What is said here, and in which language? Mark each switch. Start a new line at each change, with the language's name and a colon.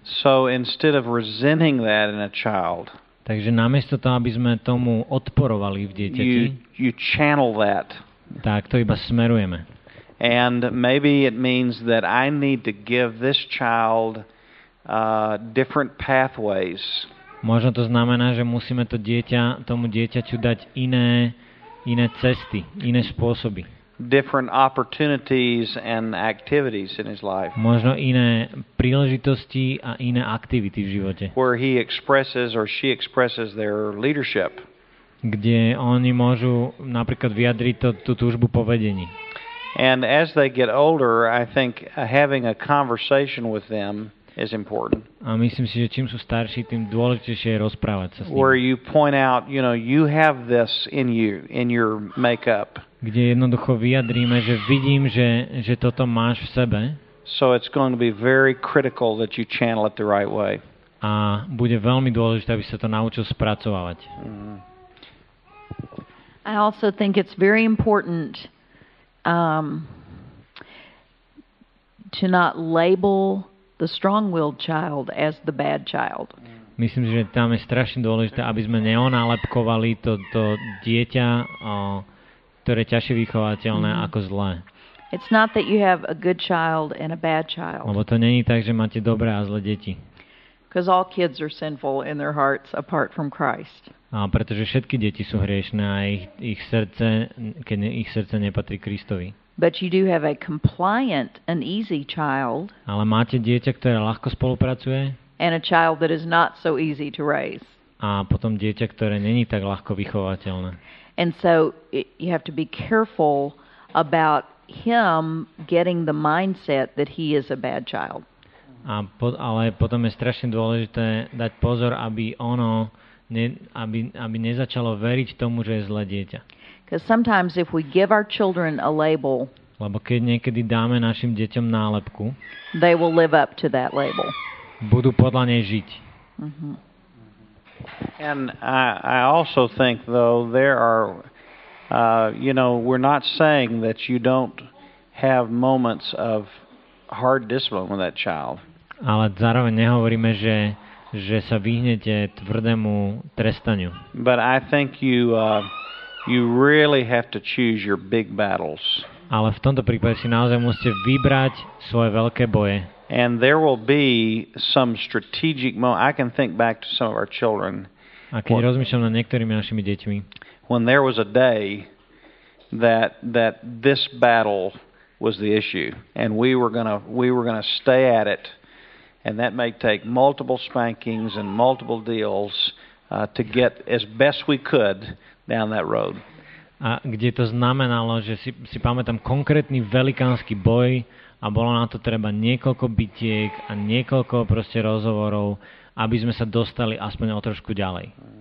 English: So instead of resenting that in a child.
Slovak: Takže namiesto toho, aby sme tomu odporovali v dieťati,
English: you channel that.
Slovak: Tak to iba smerujeme.
English: And maybe it means that I need to give this child different pathways.
Slovak: Možno to znamená, že musíme tomu dieťaťu dať iné cesty, iné spôsoby.
English: Different opportunities and activities in his life.
Slovak: Možno iné príležitosti a iné aktivity v živote.
English: Where he expresses or she expresses their leadership.
Slovak: Kde oni môžu napríklad vyjadriť tú túžbu po vedení.
English: And as they get older, I think having a conversation with them is important.
Slovak: A myslím si, že čím sú starší, tým dôležitejšie je rozprávať sa s nimi.
English: Where you point out, you know, you have this in you, in your makeup.
Slovak: Kde jednoducho vyjadríme, že vidím, že toto máš v sebe.
English: So it's going to be very critical that you channel it the right way.
Slovak: A bude veľmi dôležité, aby sa to naučil spracovávať.
English: I also think it's very important to not label the strong-willed child as the bad child.
Slovak: Myslím, že tam je strašne dôležité, aby sme neonálepkovali to dieťa, ktoré je ťažšie vychovateľné, ako zlé.
English: It's not that you have a good child and a bad child.
Slovak: Lebo to není tak, že máte dobré a zlé deti.
English: Because all kids are sinful in their hearts apart from Christ.
Slovak: A pretože všetky deti sú hriešné a ich srdce, keď ich srdce nepatrí Kristovi.
English: But you do have a compliant and easy child.
Slovak: Ale máte dieťa, ktoré ľahko spolupracuje.
English: And a child that is not so easy to raise.
Slovak: a potom dieťa, ktoré není tak ľahko vychovateľné.
English: And so you have to be careful about him getting the mindset that he is a bad child.
Slovak: Ale potom je strašne dôležité dať pozor, aby ono aby nezačalo veriť tomu, že je zlé dieťa.
English: Because sometimes if we give our children a label,
Slovak: lebo keď niekedy dáme našim deťom nálepku,
English: they will live up to that label.
Slovak: Budú podľa nej žiť. Mm-hmm.
English: And I also think though there are we're not saying that you don't have moments of hard discipline with that child.
Slovak: Ale zároveň nehovoríme, že sa vyhnete tvrdému trestaniu.
English: But I think you really have to choose your big battles.
Slovak: Ale v tomto prípade si naozaj musíte vybrať svoje veľké boje.
English: And there will be some strategic moment. I can think back to some of our children.
Slovak: A keď rozmýšľam na niektorými našimi deťmi.
English: When there was a day that this battle was the issue and we were going to stay at it, and that may take multiple spankings and multiple deals to get as best we could down that road.
Slovak: A kde to znamenalo, že si pamätám konkrétny velikánsky boj a bolo na to treba niekoľko bitiek a niekoľko proste rozhovorov, aby sme sa dostali aspoň o trošku ďalej.